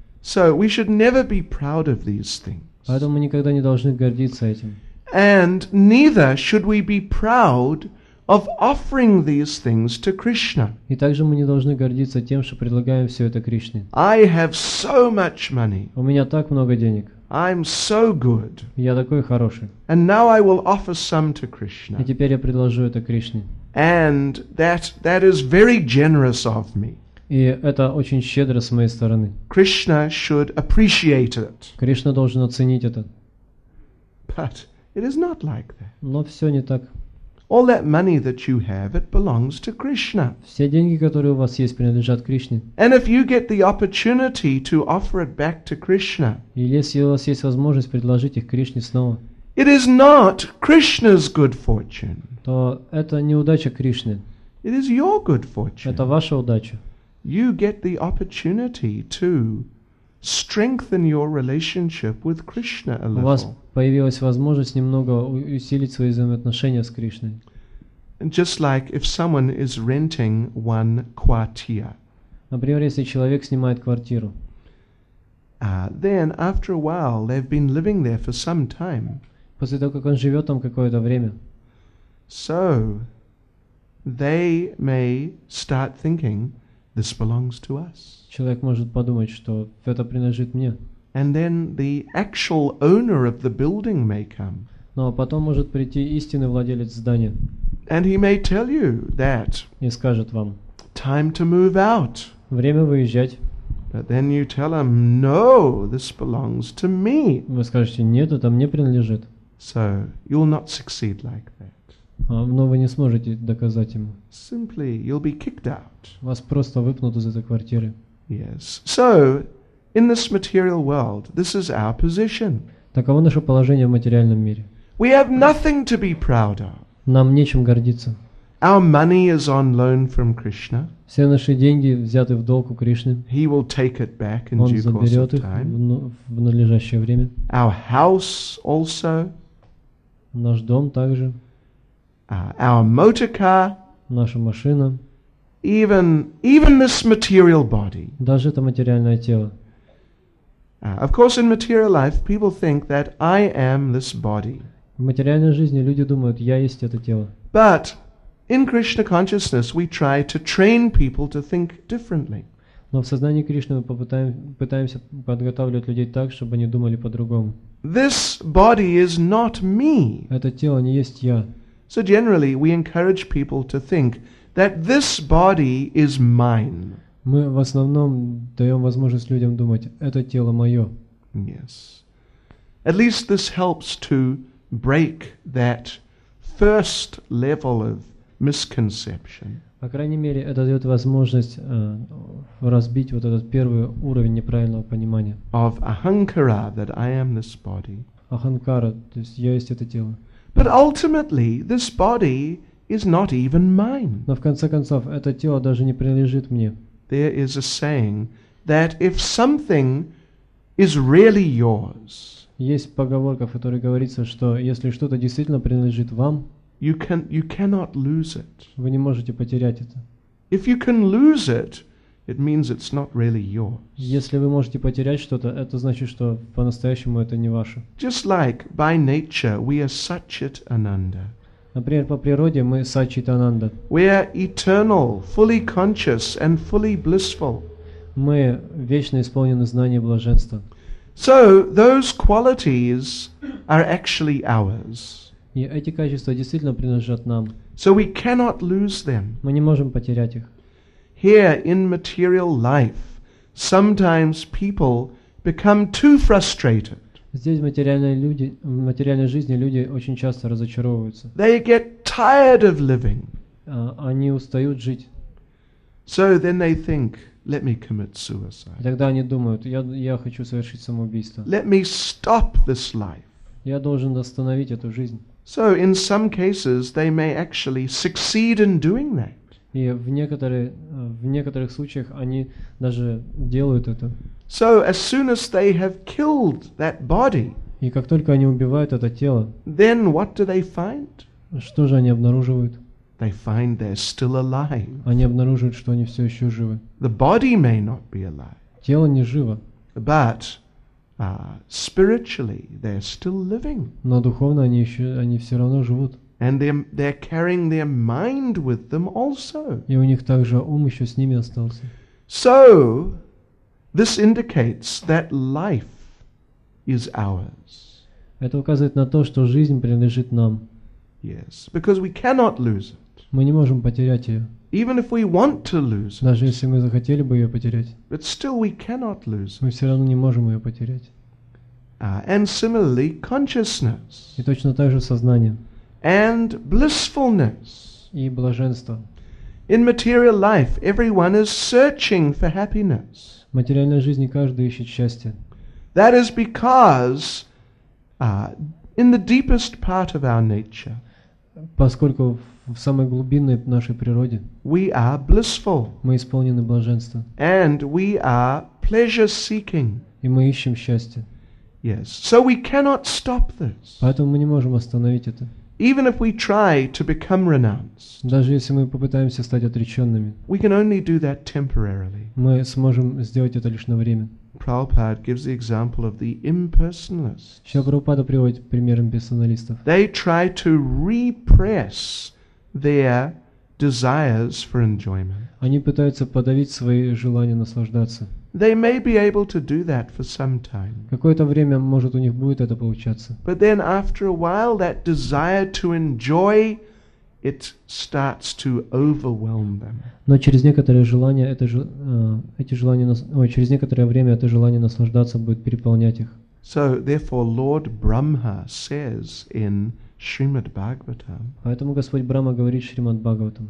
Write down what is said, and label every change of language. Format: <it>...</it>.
<en>So we should never be proud of these things.</en> <ru>Поэтому мы никогда не должны гордиться этим.</ru> <en>And neither should we be proud of offering these things to Krishna.</en> <ru>И также мы не должны гордиться тем, что предлагаем все это Кришне.</ru> <en>I have so much money.</en> <ru>У меня так много денег.</ru> <en>I'm so good.</en> <ru>Я такой хороший.</ru> <en>And now I will offer some to Krishna.</en> <ru>И теперь я предложу это Кришне.</ru> <en>And that is very generous of me.</en> <ru>И это очень щедро с моей стороны.</ru> <en>Krishna should appreciate it.</en> <ru>Кришна должен оценить это.</ru> <en>But it is not like that.</en> <ru>Но все не так.</ru> <en>All that money that you have, it belongs to Krishna.</en> <ru>Все деньги, которые у вас есть, принадлежат Кришне.</ru> <en>And if you get the opportunity to offer it back to Krishna,</en> <ru>если у вас есть возможность предложить их Кришне снова,</ru> <en>it is not Krishna's good fortune.</en> <ru>То это не удача Кришны.</ru> <en>It is your good fortune.</en> <ru>Это ваша удача.</ru> <en>You get the opportunity to strengthen your relationship with Krishna a little.</en> <ru>У вас появилась возможность немного усилить свои взаимоотношения с Кришной.</ru> <en>Just like if someone is renting one kvartira.</en> <ru>Например, если человек снимает квартиру.</ru> <en>Then after a while they've been living there for some time.</en> <ru>После того, как он живет там какое-то время.</ru> <en>So they may start thinking this belongs to us.</en> <ru>Человек может подумать, что это принадлежит мне.</ru> <en>And then the actual owner of the building may come.</en> <ru>Но потом может прийти истинный владелец здания.</ru> <en>And he may tell you that.</en> <ru>И скажет вам.</ru> <en>Time to move out.</en> <ru>Время выезжать.</ru> <en>But then you tell him, no, this belongs to me.</en> <ru>Вы скажете, нет, это мне принадлежит.</ru> <en>So you'll not succeed like that.</en> <ru>Но вы не сможете доказать ему.</ru> <en>Simply, you'll be kicked out.</en> <ru>Вас просто выпнут из этой квартиры.</ru> <en>Yes. So in this material world, this is our position.</en> <ru>Таково наше положение в материальном мире.</ru> <en>We have nothing to be proud of.</en> <ru>Нам нечем гордиться.</ru> <en>Our money is on loan from Krishna.</en> <ru>Все наши деньги взяты в долг у Кришны.</ru> <en>He will take it back in due course of time.</en> <ru>Он заберет их в надлежащее время.</ru> <en>Our house also.</en> <ru>Наш дом также.</ru> <en>Our motor car.</en> <ru>Наша машина.</ru> <en>Even this material body.</en> <ru>Даже это материальное тело.</ru> <en>Of course, in material life, people think that I am this body.</en> <ru>В материальной жизни люди думают, я есть это тело.</ru> <en>But in Krishna consciousness, we try to train people to think differently.</en> <ru>Но в сознании Кришны мы пытаемся подготавливать людей так, чтобы они думали по-другому.</ru> <en>This body is not me.</en> <ru>Это тело не есть я.</ru> <en>So generally, we encourage people to think that this body is mine.</en> <ru>Мы в основном даем возможность людям думать, это тело мое.</ru> <en>Yes. At least this helps to break that first level of misconception.</en> <ru>По крайней мере, это дает возможность разбить вот этот первый уровень неправильного понимания.</ru> <en>Of ahankara, that I am this body.</en> <ru>Ахангара, то есть я есть это тело.</ru> <en>But ultimately, this body is not even mine.</en> <ru>Но в конце концов, это тело даже не принадлежит мне.</ru> <en>There is a saying that if something is really yours,</en> <ru>есть поговорка, в которой говорится, что если что-то действительно принадлежит вам,</ru> <en>you cannot lose it.</en> <ru>Вы не можете потерять это.</ru> <en>If you can lose it, it means it's not really yours.</en> <ru>Если вы можете потерять что-то, это значит, что по-настоящему это не ваше.</ru> <en>Just like by nature we are Satchit Ananda.</en> <ru>Например, по природе мы Сатчит Ананда.</ru> <en>We are eternal, fully conscious and fully blissful.</en> <ru>Мы вечно исполнены знания и блаженства.</ru> <en>So those qualities are actually ours.</en> <ru>И эти качества действительно принадлежат нам.</ru> <en>So we cannot lose them.</en> <ru>Мы не можем потерять их.</ru> <en>Here in material life, sometimes people become too frustrated.</en> <ru>Здесь в материальной, люди, в материальной жизни люди очень часто разочаровываются.</ru> <en>They get tired of living.</en> <ru>Они устают жить.</ru> <en>So then they think, let me commit suicide.</en> <ru>Тогда они думают, я хочу совершить самоубийство.</ru> <en>Let me stop this life.</en> <ru>Я должен остановить эту жизнь.</ru> <en>So in some cases they may actually succeed in doing that.</en> <ru>И в некоторых случаях они даже делают это.</ru> <en>So as soon as they have killed that body,</en> <ru>и как только они убивают это тело,</ru> <en>then what do they find?</en> <ru>Что же они обнаруживают?</ru> <en>They find they're still alive.</en> <ru>Они обнаруживают, что они все еще живы.</ru> <en>The body may not be alive.</en> <ru>Тело не живо.</ru> <en>But spiritually they're still living.</en> <ru>Но духовно они все равно живут.</ru> <en>And they're carrying their mind with them also.</en> <ru>И у них также ум еще с ними остался.</ru> <en>So this indicates that life is ours.</en> <ru>Это указывает на то, что жизнь принадлежит нам.</ru> <en>Yes, because we cannot lose it.</en> <ru>Мы не можем потерять ее.</ru> <en>Even if we want to lose it.</en> <ru>Даже если мы захотели бы ее потерять.</ru> <en>But still we cannot lose it.</en> <ru>Мы все равно не можем ее потерять.</ru> <en>And similarly, consciousness.</en> <ru>И точно так же сознание.</ru> <en>And blissfulness.</en> <ru>И блаженство.</ru> <en>In material life, everyone is searching for happiness.</en> <ru>В материальной жизни каждый ищет счастье.</ru> <en>That is because in the deepest part of our nature,</en> <ru>поскольку в самой глубинной нашей природе,</ru> <en>we are blissful.</en> <ru>Мы исполнены блаженства.</ru> <en>And we are pleasure seeking.</en> <ru>И мы ищем счастье.</ru> <en>Yes. So we cannot stop this.</en> <ru>Поэтому мы не можем остановить это.</ru> <en>Even if we try to become renounced,</en> <ru>даже если мы попытаемся стать отреченными,</ru> <en>we can only do that temporarily.</en> <ru>Мы сможем сделать это лишь на время.</ru> <en>Prabhupada gives the example of the impersonalists.</en> <ru>Шрила Прабхупада приводит пример имперсоналистов.</ru> <en>They try to repress their desires for enjoyment.</en> <ru>Они пытаются подавить свои желания наслаждаться.</ru> <en>They may be able to do that for some time.</en> <ru>Какое-то время, может, у них будет это получаться.</ru> <en>But then after a while that desire to enjoy it starts to overwhelm them.</en> <ru>Но через некоторое желание через некоторое время это желание наслаждаться будет переполнять их.</ru> <en>So therefore Lord Brahma says in Shrimad Bhagavatam.</en> <ru>Поэтому Господь Брахма говорит в Шримад Бхагаватам.</ru>